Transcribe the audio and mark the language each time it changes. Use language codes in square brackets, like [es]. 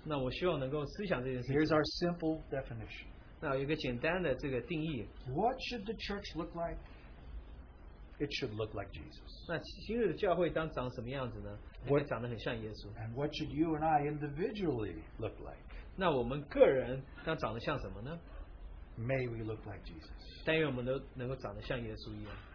[zh] 那我希望能够思想这件事情。 [en] Here's our simple definition. [zh] 那有一个简单的这个定义。 [en] What should the church look like? It should look like Jesus. [zh] 那新日的教会当长什么样子呢? 应该长得很像耶稣。 [en] And what should you and I individually look like? [zh] 那我们个人当长得像什么呢? [en] May we look like Jesus. [zh] 但愿我们都能够长得像耶稣一样。